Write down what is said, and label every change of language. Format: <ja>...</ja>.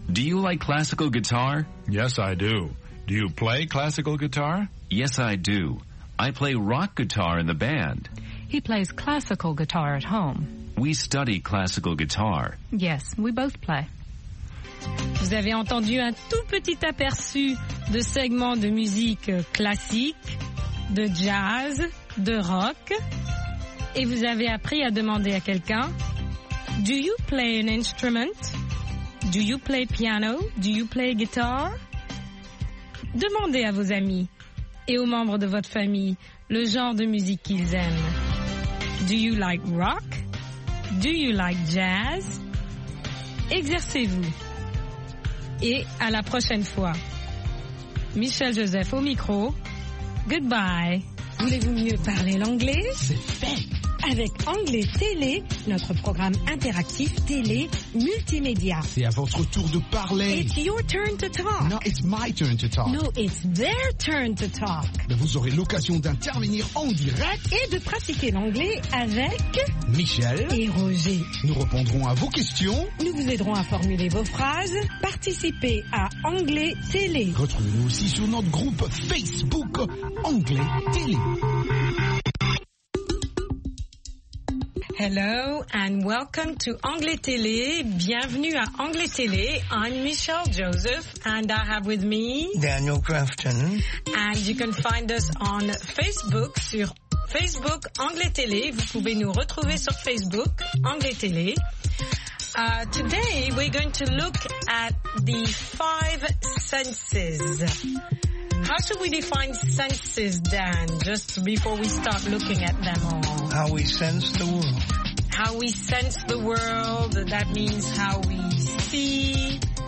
<en>Do you like classical guitar? Yes, I do. Do you play classical guitar? Yes, I do. I play rock guitar in the band. He plays classical guitar at home. We study classical guitar. Yes, we both play.</en> <fr>Vous avez entendu un tout petit aperçu de segments de musique classique, de jazz, de rock. Et vous avez appris à demander à quelqu'un,</fr> <en>Do you play an instrument? Do you play piano? Do you play guitar?</en> <fr>Demandez à vos amis et aux membres de votre famille le genre de musique qu'ils aiment.</fr> <en>Do you like rock? Do you like jazz?</en> <fr>Exercez-vous. Et à la prochaine fois. Michel Joseph au micro.</fr> <en>Goodbye.</en> <fr>Voulez-vous mieux parler l'anglais? C'est fait. Avec Anglais Télé, notre programme interactif télé multimédia. C'est à votre tour de parler.</fr> <en>It's your turn to talk. No, it's my turn to talk. No, it's their turn to talk.</en> <fr>Mais vous aurez l'occasion d'intervenir en direct et de pratiquer l'anglais avec Michel et Roger. Nous répondrons à vos questions. Nous vous aiderons à formuler vos phrases. Participez à Anglais Télé. Retrouvez-nous aussi sur notre groupe Facebook Anglais Télé.</fr> <en>Hello and welcome to Anglais Télé.</en> <fr>Bienvenue à Anglais Télé.</fr> <en>I'm Michelle Joseph and I have with me Daniel Crafton. And you can find us on Facebook</en> <fr>sur Facebook Anglais Télé. Vous pouvez nous retrouver sur Facebook Anglais Télé.</fr> <en>Today we're going to look at the five senses. How should we define senses, Dan, just before we start looking at them all? How we sense the world. How we sense the world, that means how we see.</en>